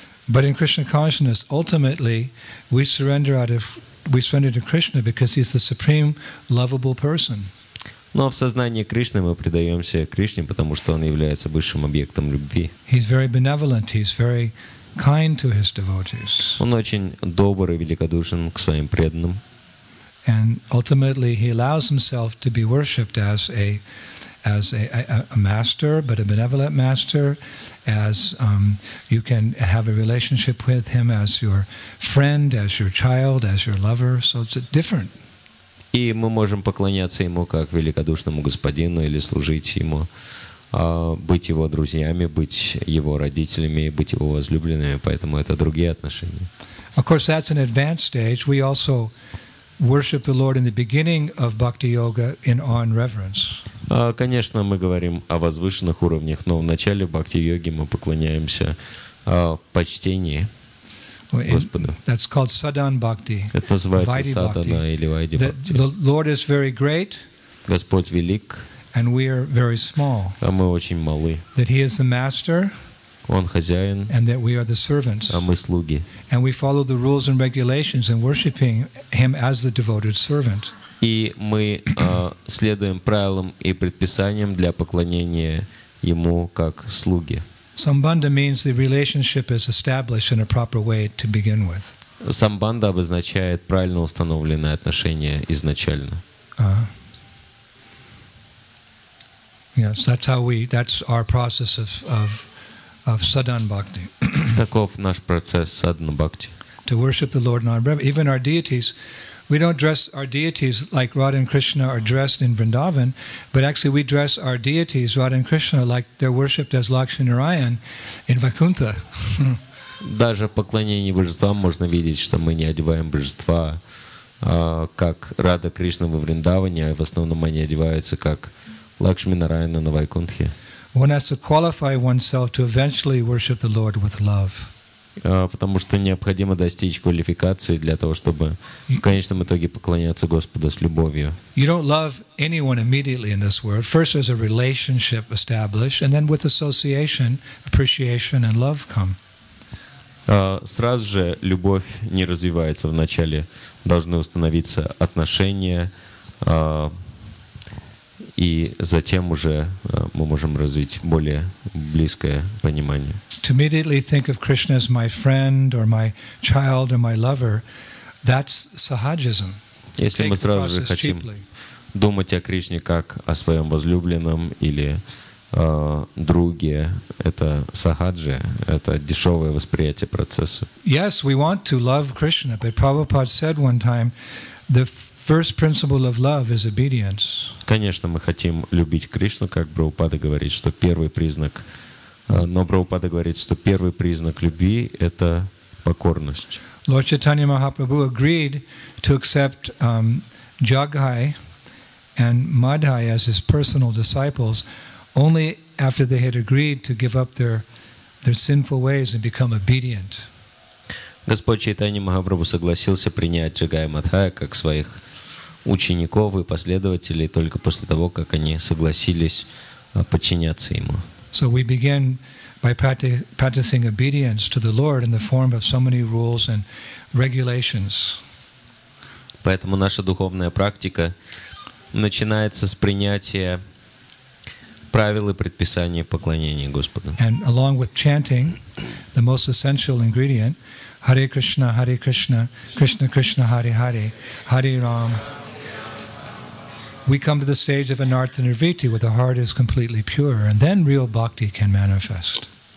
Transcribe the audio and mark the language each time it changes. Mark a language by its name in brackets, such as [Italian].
[English] But in Krishna consciousness, ultimately, we surrender to Krishna because he's the supreme lovable person. [Russian] Но в сознании Кришны мы предаемся Кришне, потому что он является высшим объектом любви. [English] He's very benevolent, he's very kind to his devotees. [Russian] Он очень добр и великодушен к своим преданным. [English] And ultimately he allows himself to be worshipped as a master, but a benevolent master, as you can have a relationship with him as your friend, as your child, as your lover. So it's different. [Russian] И мы можем поклоняться ему как великодушному господину или служить ему, быть его друзьями, быть его родителями, быть его возлюбленными, поэтому это другие отношения. [English] Of course, that's an advanced stage. We also worship the Lord in the beginning of bhakti yoga in awe and reverence. [Russian] Конечно, мы говорим о возвышенных уровнях, но в начале бхакти йоги мы поклоняемся почтении Господу. [English] That's called sadhan bhakti. [Russian] Это называется садхана или вайди бхакти. [English] The Lord is very great. [Russian] Господь велик. [English] And we are very small. [Russian] А мы очень малы. [English] That he is the master. [Russian] Он хозяин. [English] And that we are the servants. [Russian] А мы слуги. [English] And we follow the rules and regulations in worshiping him as the devoted servant. [Russian] И мы следуем правилам и предписаниям для поклонения ему как слуги. [English] Sambandha means the relationship is established in a proper way to begin with. [Russian] Sambandha обозначает правильно установленное отношение изначально. [English] Yes, that's our process of sadhan bhakti. [Russian] Таков наш процесс садхана бхакти. [English] To worship the Lord in our brev, even our deities. We don't dress our deities like Radha and Krishna are dressed in Vrindavan, but actually we dress our deities, Radha and Krishna, like they're worshipped as Lakshmi Narayan in Vaikuntha. [Russian] Даже поклонение божествам можно видеть, что мы не одеваем божества как Радха Кришна во Вриндаване, а в основном они одеваются как Лакшми Нараяна на Вайкунтхе. [English] One has to qualify oneself to eventually worship the Lord with love. [Russian] Потому что необходимо достичь квалификации для того, чтобы в конечном итоге поклоняться Господу с любовью. [English] You don't love anyone immediately in this world. First there's a relationship established, and then with association, appreciation and love come. [Russian] Сразу же любовь не развивается. Вначале должны установиться отношения, и затем уже мы можем развить более близкое понимание. [English] To immediately think of Krishna as my friend or my child or my lover, that's sahajism. [Russian] Если мы сразу же хотим думать о Кришне как о своем возлюбленном или друге, это сахаджа, это дешевое восприятие процесса. [English] Yes, we want to love Krishna, but Prabhupada said one time, the first principle of love is obedience. [Russian] Конечно, мы хотим любить Кришну, как Прабхупада говорит, что первый признак. Но Прабхупада говорит, что первый признак любви — это покорность. [English] Lord Chaitanya Mahaprabhu agreed to accept Jaghai and Madhai as his personal disciples only after they had agreed to give up their sinful ways and become obedient. [Russian] Господь Чайтанья Махапрабху согласился принять Джагая и Мадхая как своих учеников и последователей только после того, как они согласились подчиняться Ему. [English] So we begin by practicing obedience to the Lord in the form of so many rules and regulations. [Russian] Поэтому наша духовная практика начинается с принятия правил и предписаний поклонения Господу. [English] And along with chanting, the most essential ingredient, Hare Krishna, Hare Krishna, Krishna Krishna, Hare Hare, Hare Ram, we come to the stage of Anarthanirviti, where the heart is completely pure, and then real bhakti can manifest.